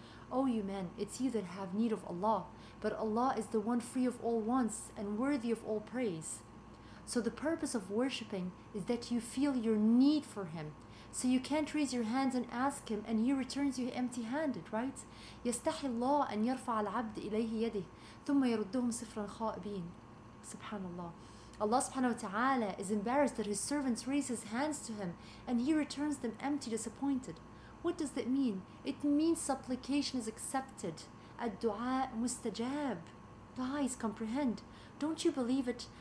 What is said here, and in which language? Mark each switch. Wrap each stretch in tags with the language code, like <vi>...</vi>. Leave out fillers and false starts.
<en>O you men, it's you that have need of Allah, but Allah is the one free of all wants and worthy of all praise. So the purpose of worshipping is that you feel your need for him. So you can't raise your hands and ask him and he returns you empty-handed, right?</en> <ar>يستحي الله أن يرفع العبد إليه يده ثم يردهم صفرا خائبين.</ar> <en>Subhanallah. Allah subhanahu wa ta'ala is embarrassed that his servants raise his hands to him and he returns them empty, disappointed. What does that mean? It means supplication is accepted.</en> <ar>الدعاء مستجاب.</ar> <en>Guys, comprehend. Don't you believe it?</en>